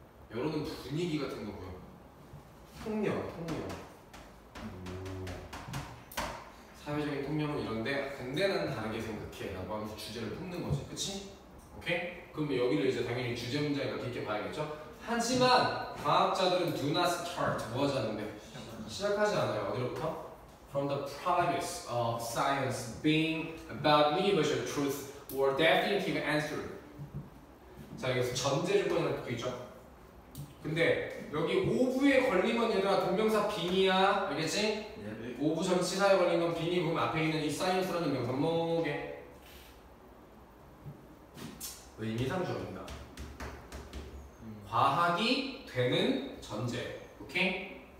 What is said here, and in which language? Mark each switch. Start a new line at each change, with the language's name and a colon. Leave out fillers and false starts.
Korean: 여론은 분위기 같은 거고요. 통념, 통념. 사회적인 통념은 이런데, 근데 난 다르게 생각해. 라고 하면서 주제를 품는 거지. 그치? 오케이? 그럼 여기를 이제 당연히 주제 문제니까 깊게 봐야겠죠? 하지만, 과학자들은
English: do not start.
Korean: 뭐 하자는데? 시작하지 않아요. 어디로부터?
English: From the premise of science being about universal truth or definitive answer.
Korean: 자, 여기서 전제를 꺼내는 것도 있죠. 근데 여기 오브에 걸린 건 얘들아 동명사 빙이야, 알겠지? 오브 전치사에 걸린 건 빙이 보면 앞에 있는 이 사이언스라는 명사 뭐게? 의미상정입니다. 과학이 되는 전제, 오케이?